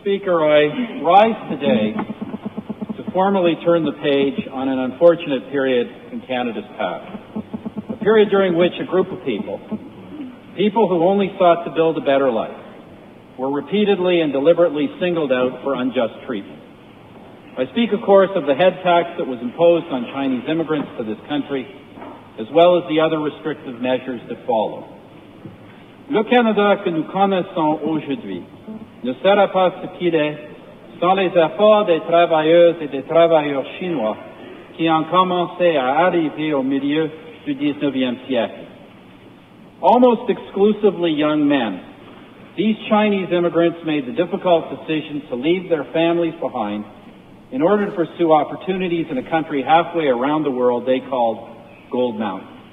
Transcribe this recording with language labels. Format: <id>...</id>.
<en>Speaker, I rise today to formally turn the page on an unfortunate period in Canada's past, a period during which a group of people who only sought to build a better life, were repeatedly and deliberately singled out for unjust treatment. I speak, of course, of the head tax that was imposed on Chinese immigrants to this country, as well as the other restrictive measures that follow.</en> <fr>Le Canada que nous connaissons aujourd'hui ne sera pas ce qu'il est sans les efforts des travailleuses et des travailleurs chinois qui ont commencé à arriver au milieu du 19e siècle.</fr> <en>Almost exclusively young men, these Chinese immigrants made the difficult decision to leave their families behind in order to pursue opportunities in a country halfway around the world they called Gold Mountain.</en>